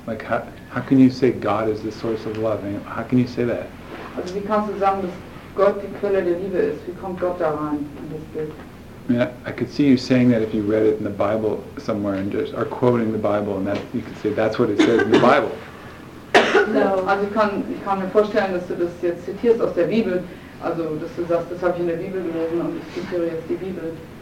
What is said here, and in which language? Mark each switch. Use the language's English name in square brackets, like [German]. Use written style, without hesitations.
[English] Like, how can you say God is the source of love? How can you say that? [German] Also, wie kannst du sagen, dass Gott die Quelle der Liebe ist? Wie kommt Gott da rein in das Bild? [English] I mean, I could see you saying that if you read it in the Bible somewhere and just are quoting the Bible, and that you could say that's what it says in the Bible. [German] No, also ich kann mir vorstellen, dass du das jetzt zitierst aus der Bibel, also dass du sagst, das habe ich in der Bibel gelesen und ich zitiere jetzt die Bibel.